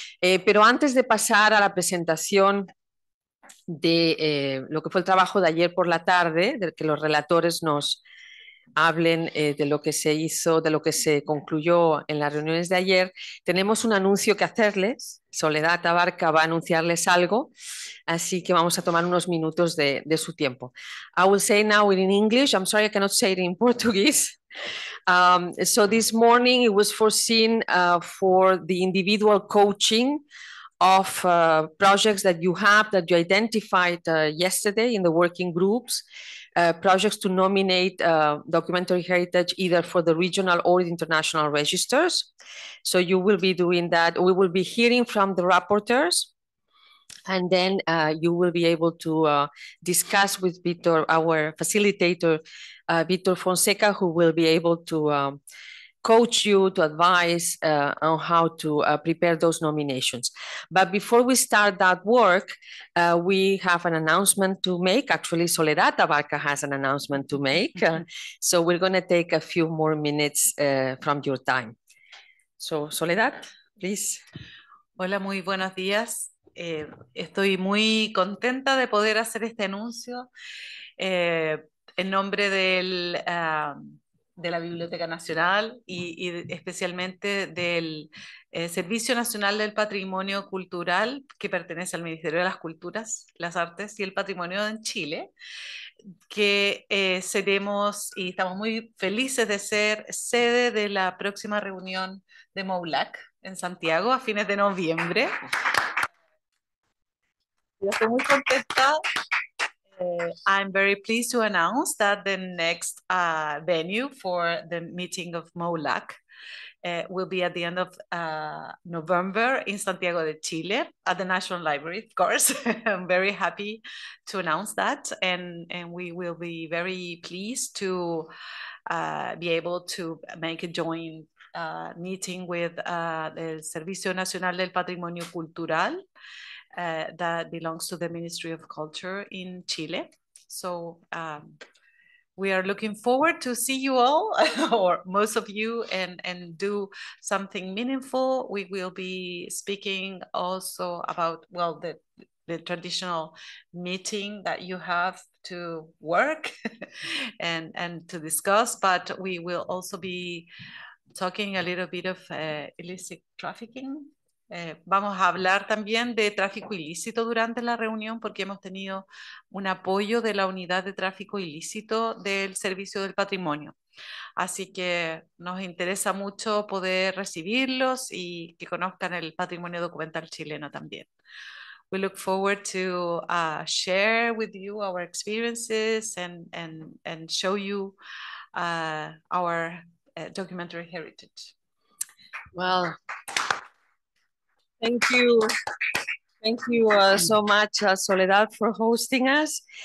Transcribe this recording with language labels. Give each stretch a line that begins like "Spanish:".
Spanish: Pero antes de pasar a la presentación de, lo que fue el trabajo de ayer por la tarde, de que los relatores nos hablen, de lo que se hizo, de lo que se concluyó en las reuniones de ayer, tenemos un anuncio que hacerles. Soledad Abarca va a anunciarles algo, así que vamos a tomar unos minutos de su tiempo.
English: I will say now in English. I'm sorry, I cannot say it in Portuguese. So this morning it was foreseen for the individual coaching of projects that you have, that you identified yesterday in the working groups, projects to nominate documentary heritage either for the regional or the international registers. So you will be doing that. We will be hearing from the rapporteurs, and then you will be able to discuss with Victor, our facilitator, Victor Fonseca, who will be able to coach you, to advise on how to prepare those nominations. But before we start that work, we have an announcement to make. Actually, Soledad Abarca has an announcement to make. So we're going to take a few more minutes from your time. So Soledad, please.
Spanish: Hola, muy buenos días. Estoy muy contenta de poder hacer este anuncio en nombre del de la Biblioteca Nacional y especialmente del Servicio Nacional del Patrimonio Cultural, que pertenece al Ministerio de las Culturas, las Artes y el Patrimonio en Chile, que seremos y estamos muy felices de ser sede de la próxima reunión de MOWLAC en Santiago a fines de noviembre. Yo estoy muy contenta.
English: I'm very pleased to announce that the next venue for the meeting of MOWLAC will be at the end of November in Santiago de Chile at the National Library, of course. I'm very happy to announce that, and we will be very pleased to be able to make a joint meeting with the Servicio Nacional del Patrimonio Cultural. That belongs to the Ministry of Culture in Chile. So we are looking forward to see you all, or most of you, and do something meaningful. We will be speaking also about, well, the traditional meeting that you have to work and to discuss, but we will also be talking a little bit of illicit trafficking.
Spanish: Vamos a hablar también de tráfico ilícito durante la reunión porque hemos tenido un apoyo de la unidad de tráfico ilícito del Servicio del Patrimonio. Así que nos interesa mucho poder recibirlos y que conozcan el patrimonio documental chileno también.
English: We look forward to share with you our experiences and show you our documentary heritage. Well, thank you. Thank you so much, Soledad, for hosting us.